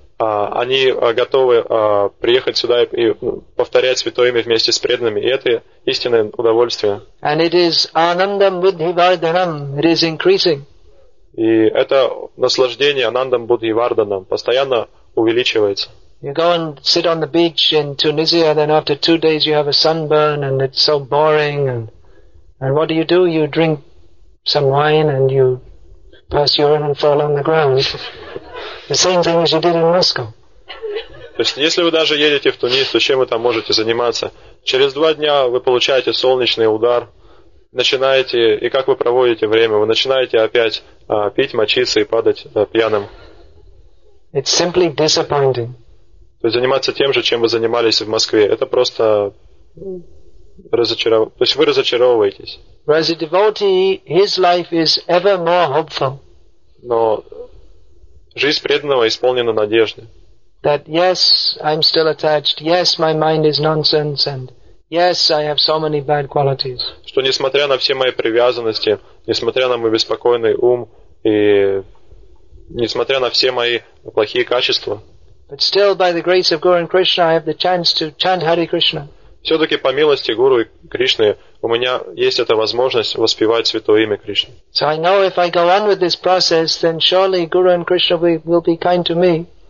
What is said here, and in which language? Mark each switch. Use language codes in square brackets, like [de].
[ru] Они готовы приехать сюда и повторять святое имя вместе с преданными, и это истинное удовольствие. [en] And it is anandam buddhivardhanam, it is increasing. [ru] И это наслаждение анандам буддхивардханам постоянно увеличивается. [en] You go and sit on the beach in Tunisia, then after 2 days you have a sunburn and it's so boring, and what do? You drink some wine and you pass urine and fall on the ground. The same thing as you did in Moscow. [ru] То есть, если вы даже едете в Тунис, то чем вы там можете заниматься? Через 2 дня вы получаете солнечный удар, начинаете, и как вы проводите время? Вы начинаете опять пить, мочиться и падать пьяным. [en] It's simply disappointing. [ru] То есть заниматься тем же, чем вы занимались в Москве, это просто то есть вы разочаровываетесь. [en] As a devotee, his life is ever more hopeful. [ru] Но жизнь преданного исполнена надежды. [en] That yes, I'm still attached. Yes, my mind is nonsense, and yes, I have so many bad qualities. [ru] Что несмотря на все мои привязанности, несмотря на мой беспокойный ум и несмотря на все мои плохие качества. [en] But still, by the grace of Guru and Krishna, I have the chance to chant Hare Krishna. [ru] Все-таки по милости Гуру и Кришны у меня есть эта возможность воспевать святое имя Кришны. [en] So I know if I go on with this process, then surely Guru and Krishna will be kind to me.